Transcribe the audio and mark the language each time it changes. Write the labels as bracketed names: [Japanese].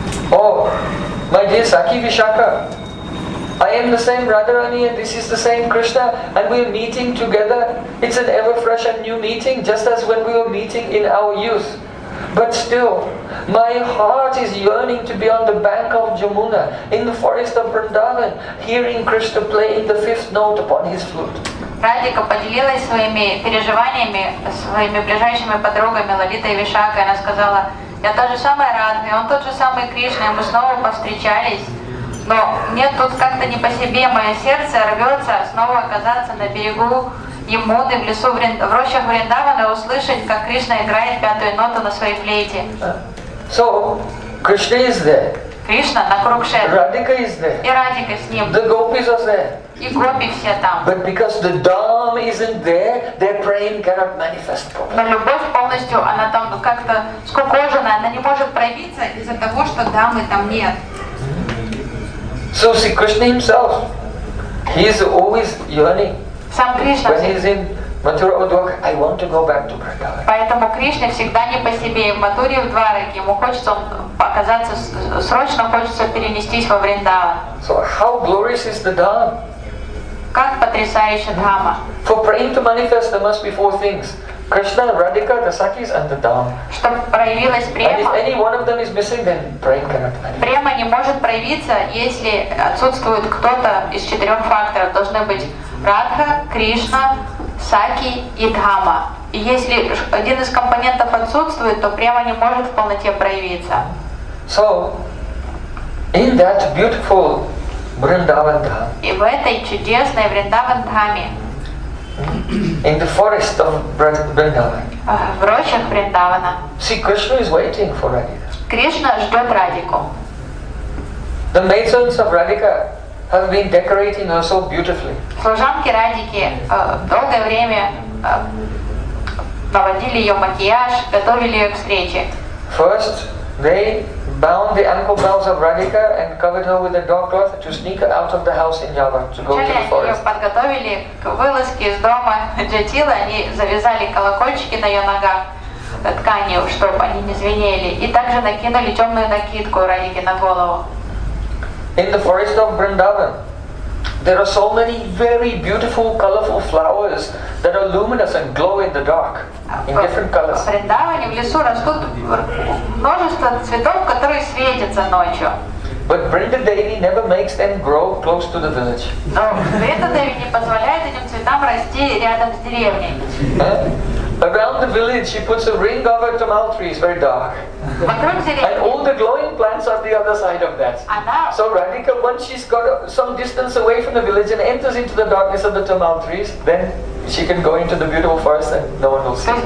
[English] Oh, my dear Sakhi Vishaka, I am the same Radharani and this is the same Krishna and we are meeting together. It's an ever fresh and new meeting just as when we were meeting in our youth. But still, my heart is yearning to be on the bank of Jamuna, in the forest of Vrindavan, hearing Krishna playing the fifth note upon his flute. [Russian] Радика поделилась своими переживаниями своими ближайшими подругами Лалитой и Вишакой. Она сказала: «Я та же самая Радха, он тот же самый Кришна, и мы снова повстречались. Но мне тут как-то не по себе, мое сердце рвется снова оказаться на берегу». Ямуны в лесу в рощах Вриндавана услышать, как Кришна играет пятую ноту на своей флейте. [English] So, Krishna is there. [Russian] Кришна на Курукшетре. [English] Радика is there. [Russian] И Радика с ним. [English] The gopis are there. [Russian] И гопи все там. [English] But because the Dham isn't there, their praying cannot manifest properly. [Russian] Но любовь полностью, она там как-то скукоженная, она не может проявиться из-за того, что Дхаммы там нет. [English] So, see, Krishna himself, he is always yearning. [Russian] Сам Кришна. [English] When he's in Mathura Udvaraka, I want to go back to Vrindavan. [Russian] Поэтому Кришна всегда не по себе. В Матуре Удвараке ему хочется оказаться срочно хочется перенестись во Вриндаван. [English] So how glorious is the Dham? [Russian] Как потрясающая Дхамма. [English] For praying to manifest, there must be four things: Krishna, Radhika, the Sakis, and the Dham. [Russian] Чтобы проявилась Према. [English] And if any one of them is missing, then praying cannot manifest. [Russian] Према не может проявиться, если отсутствует кто-то из четырех факторов. Должны быть Радха, Кришна, Саки и Дхамма. И если один из компонентов отсутствует, то Према не может в полноте проявиться. [English] So, in that beautiful Vrindavan Dham, [Russian] и в этой чудесной Вриндаван Дхамме, [English] in the forest of Vrindavan, [Russian] в рощах Вриндавана, [English] see, Krishna is waiting for Radhika. [Russian] Кришна ждет Радику. [English] The maidens of Radhika have been decorating her so beautifully. [Russian] Служанки Радики долгое время наводили ее макияж, готовили ее к встрече. [English] First, they bound the ankle bells of Radhika and covered her with a dog cloth to sneak her out of the house in Java to go to the forest. [Russian] Подготовили к вылазке из дома Джатила, они завязали колокольчики на ее ногах тканью, чтобы они не звенели, и также накинули темную накидку Радики на голову. [English] In the forest of Vrindavan, there are so many very beautiful, colorful flowers that are luminous and glow in the dark, in different colors. [Russian] В Вриндаване в лесу растут множество цветов, которые светятся ночью. [English] But Vrindadevi never makes them grow close to the village. [Russian] Но Вриндадеви не позволяет этим цветам расти рядом с деревней. [English] Around the village, she puts a ring of her tamal trees, very dark. And all the glowing plants are the other side of that. So Radhika, once she's got some distance away from the village and enters into the darkness of the tamal trees, then she can go into the beautiful forest and no one will see her.